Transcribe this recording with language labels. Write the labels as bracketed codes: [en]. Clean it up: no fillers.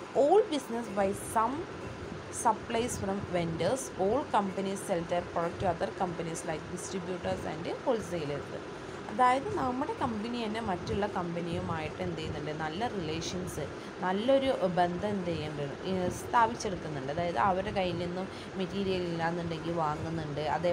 [en] All business buy some supplies from vendors. All companies sell their product to other companies like distributors and wholesalers. [ml] അതായത് നമ്മുടെ company തന്നെ മറ്റുള്ള കമ്പനിയുമായിട്ട് എന്ത് ചെയ്യുന്നുണ്ട്, നല്ല റിലേഷൻസ്, നല്ലൊരു ബന്ധം എന്ത് ചെയ്യുന്നുണ്ട്, സ്ഥാപിച്ചെടുക്കുന്നുണ്ട്. അതായത് അവരുടെ കയ്യിൽ നിന്നും മെറ്റീരിയൽ ഇല്ലാന്നുണ്ടെങ്കിൽ വാങ്ങുന്നുണ്ട്.